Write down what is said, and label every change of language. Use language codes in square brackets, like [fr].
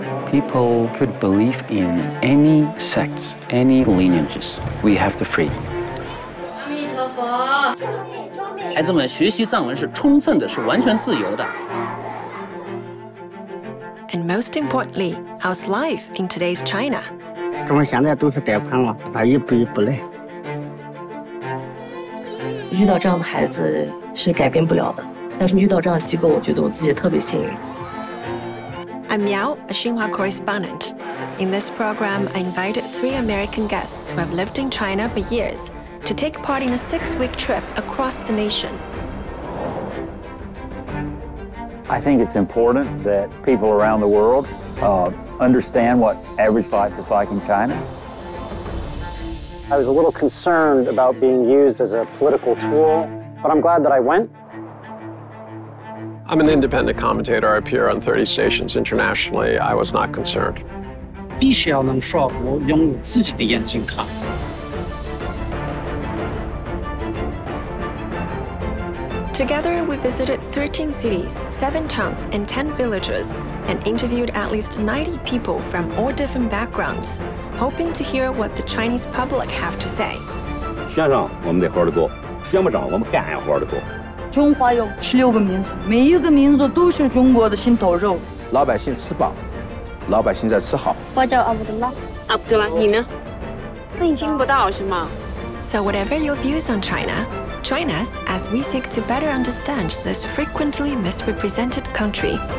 [en] People could believe in any sects, any lineages. We have the freedom. [zh] 阿弥陀佛。孩子们学习藏文是充分的，是完全自由的。 [en] And most importantly, how's life in today's China? [zh] 中国现在都是贷款了，那一步一步来。遇到这样的孩子是改变不了的，但是遇到这样的机构，我觉得我自己特别幸运。 [en] I'm Miao, a Xinhua correspondent. In this program, I invited three American guests who have lived in China for years to take part in a six-week trip across the nation. I think it's important that people around the world understand what average life is like in China. I was a little concerned about being used as a political tool, but I'm glad that I went. I'm an independent commentator. I appear on 30 stations internationally. I was not concerned. [zh] 必须要能说我用自己的眼睛看。 [en] Together, we visited 13 cities, 7 towns, and 10 villages, and interviewed at least 90 people from all different backgrounds, hoping to hear what the Chinese public have to say. [zh] 先生，我们得活得过；先不长，我们干也活得过。中华有16个民族，每一个民族都是中国的心头肉。老百姓吃饱，老百姓在吃好。我叫阿布德拉。阿布德拉，你呢？你听不到是吗？ [en] So whatever your views on China, join us as we seek to better understand this frequently misrepresented country.